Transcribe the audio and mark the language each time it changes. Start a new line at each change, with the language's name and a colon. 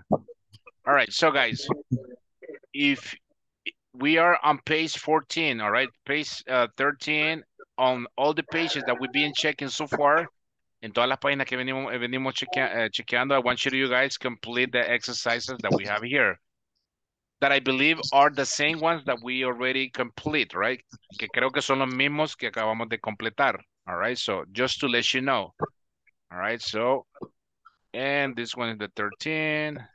English: All right, so guys, if we are on page 14, all right, page 13, on all the pages that we've been checking so far,
Spanish: en todas las páginas que venimos chequeando,
English: I want you to, you guys, complete the exercises that we have here that I believe are the same ones that we already complete, right?
Spanish: Que creo que son los mismos que acabamos de completar.
English: All right, so just to let you know. All right, so, and this one is the 13.